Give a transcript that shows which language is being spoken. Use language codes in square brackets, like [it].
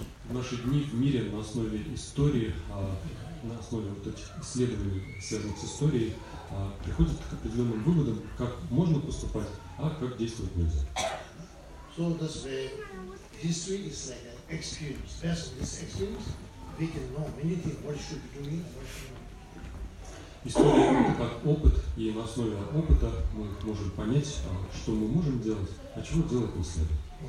[ru] В наши дни в мире на основе истории, на основе вот этих исследований, связанных с историей, приходят к определенным выводам, как можно поступать, а как действовать нельзя. [en] So this way, history is like an experience. Based on this experience, we can know many things, what should be doing, what should not. [ru] История — это как опыт, и на основе опыта мы можем понять, что мы можем делать, а чего делать не следует.